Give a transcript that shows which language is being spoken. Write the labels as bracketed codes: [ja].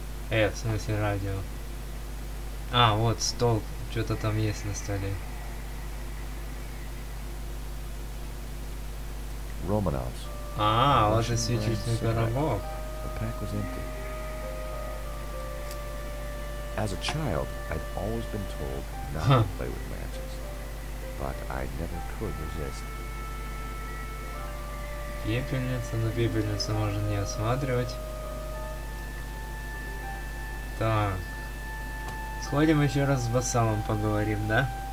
[ru] В смысле радио. А, вот стол, что-то там есть на столе. [en] Romanovs. [ru] А, вот же свечечный коробок. [en] The pack was empty. As a child, I'd always been told not to play with matches. But I never could resist. [ru] Пепельница, но пепельницу можно не осматривать. Так. Сходим еще раз с Басалом поговорим, да?